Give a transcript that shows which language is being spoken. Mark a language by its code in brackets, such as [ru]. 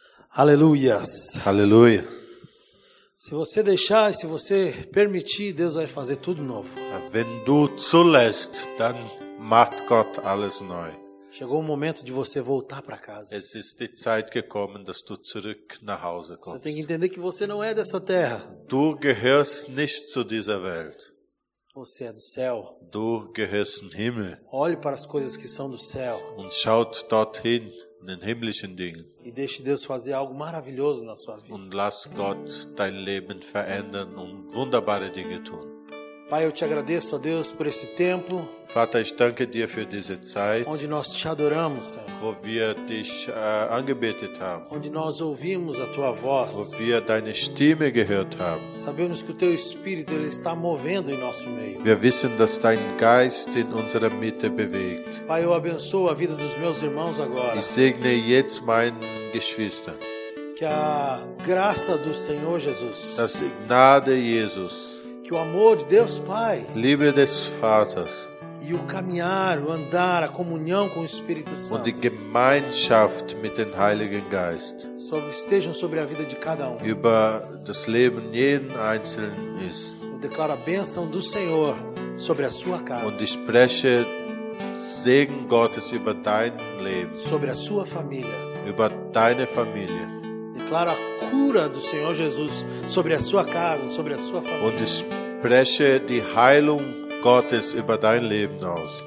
[pt] Aleluias. Aleluia. Se você deixar, se você permitir, Deus vai fazer tudo novo. [de] Wenn du zulässt, dann macht Gott alles neu. [pt] Chegou o momento de você voltar para casa. [de] Es ist die Zeit gekommen, dass du zurück nach Hause kommst. [pt] Você tem que entender que você não é dessa terra. [de] Du gehörst nicht zu dieser Welt. [pt] Você é do céu. [de] Du gehörst im Himmel. [pt] Olhe para as coisas que são do céu. [de] Und schaut dorthin. Den himmlischen Dingen. [pt] E deixe Deus fazer algo maravilhoso na sua vida. [de] Und lass Gott dein Leben verändern und wunderbare Dinge tun. [pt] Pai, eu te agradeço, ó Deus, por esse tempo. [de] Vater, ich danke dir für diese Zeit. [pt] Onde nós te adoramos, Senhor. [de] Wo wir dich angebetet haben. [pt] Onde nós ouvimos a tua voz. [de] Wo wir deine Stimme gehört haben. [pt] Sabemos que o teu espírito ele está movendo em nosso meio. [de] Wir wissen, dass dein Geist in unserer Mitte bewegt. [pt] Pai, eu abençoo a vida dos meus irmãos agora. [de] Ich segne jetzt meine Geschwister. [pt] Que a graça do Senhor Jesus. [de] Das Gnade Jesus. [pt] O amor de Deus Pai, [de] Liebe des Vaters, [pt] e o caminhar, o andar, a comunhão com o Espírito Santo, [de] und die Gemeinschaft mit dem Heiligen Geist, [pt] estejam sobre a vida de cada um, [de] über das Leben jeden Einzelnen ist. [pt] Eu declaro a bênção do Senhor sobre a sua casa, [de] und ich spreche Segen Gottes über dein Leben, [pt] sobre a sua família, [de] über deine Familie. [pt] Declaro a cura do Senhor Jesus sobre a sua casa, sobre a sua família. [de] Und ich spreche die Heilung Gottes über dein Leben aus.